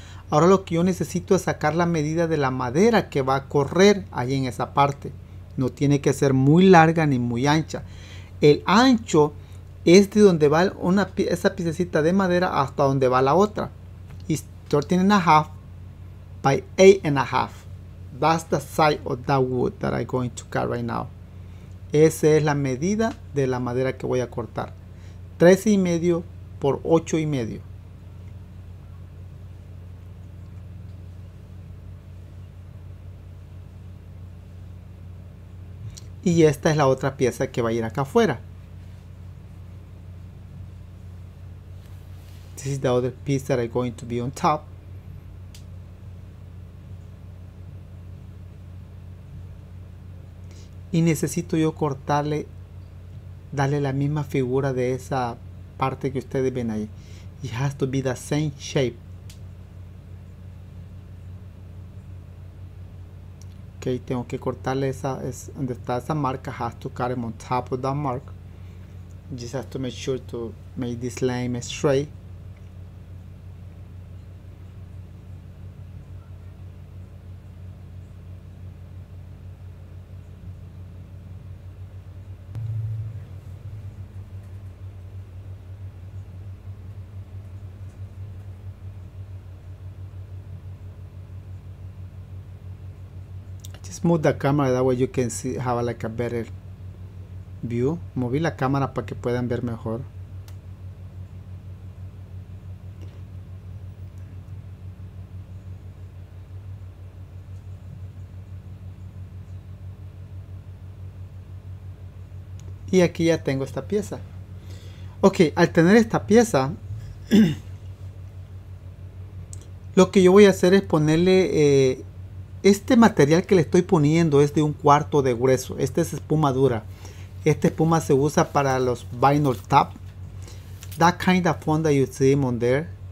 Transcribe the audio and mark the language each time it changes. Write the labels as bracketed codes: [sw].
[es] Ahora lo que yo necesito es sacar la medida de la madera que va a correr ahí en esa parte. No tiene que ser muy larga ni muy ancha. El ancho es de donde va una esa piececita de madera hasta donde va la otra. [en] It's 13.5 by 8.5. That's the size of that wood that I'm going to cut right now. [es] Esa es la medida de la madera que voy a cortar. 13.5 por 8.5. Y esta es la otra pieza que va a ir acá afuera. [en] This is the other piece that is going to be on top. [es] Y necesito yo cortarle, darle la misma figura de esa parte que ustedes ven ahí. [en] It has to be the same shape. [es] Ok, tengo que cortarle esa, es donde está esa marca. [en] Has to cut it on top of that mark. Just have to make sure to make this line straight. Move the camera that way you can see, have like a better view. [es] Moví la cámara para que puedan ver mejor. Y aquí ya tengo esta pieza. Ok, al tener esta pieza, lo que yo voy a hacer es ponerle. Este material que le estoy poniendo es de 1/4 de grueso. Esta es espuma dura. Esta espuma se usa para los vinyl top. [en] That kind of foam that you see him on there.